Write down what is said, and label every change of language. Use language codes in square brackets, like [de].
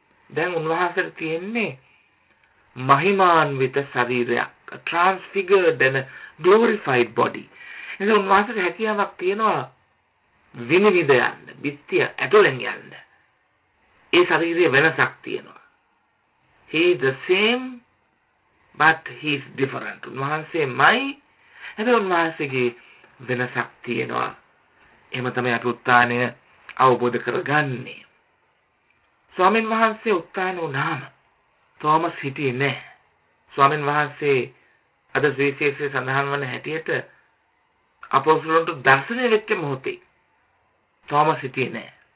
[si] දැන් උන්වහන්සේ තියෙන්නේ මහිමාන්විත ශරීරයක්, ට්‍රාන්ස්ෆිගර්ඩ් එන ග්ලෝරිෆයිඩ් බොඩි. එහෙනම් උන්වහන්සේට හැකියාවක් තියෙනවා විනිවිද යන්න, බිත්තිය ඇතුලෙන් යන්න. ඒ ශරීරයේ වෙනසක් තියෙනවා. [en] He is the same, but he is different. [si] උන්වහන්සේමයි, හැබැයි උන්වහන්සේගේ වෙනසක් තියෙනවා. එහෙම තමයි අපි උත්ථානය අවබෝධ කරගන්නේ. ස්වාමීන් වහන්සේ උත්ථාන වුණාම තෝමස් හිටියේ නැහැ. ස්වාමීන් වහන්සේ අද සුවිශේෂයේ සඳහන් වන හැටියට අපොස්තුලන්ට දර්ශනය වෙච්ච මොහොතේ තෝමස් හිටියේ නැහැ.